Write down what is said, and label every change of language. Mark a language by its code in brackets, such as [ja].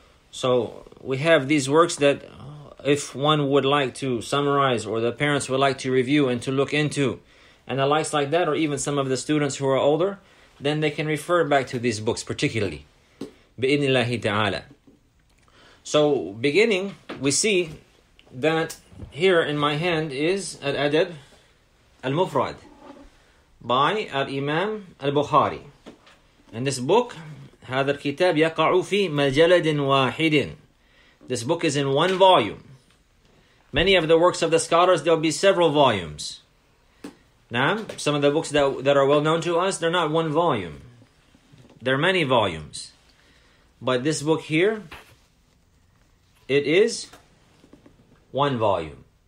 [en] So we have these works that if one would like to summarize, or the parents would like to review and to look into, and the likes like that, or even some of the students who are older, then they can refer back to these books particularly. Bi-idhnillahi ta'ala. So beginning, we see that here in my hand is Al-Adab Al-Mufrad by Al-Imam Al-Bukhari. And this book, [ar] هذا الكتاب يقع في مجلد واحد. [en] This book is in one volume. Many of the works of the scholars, there'll be several volumes. Naam, some of the books that are well known to us, they're not one volume. There are many volumes. But this book here, it is one volume.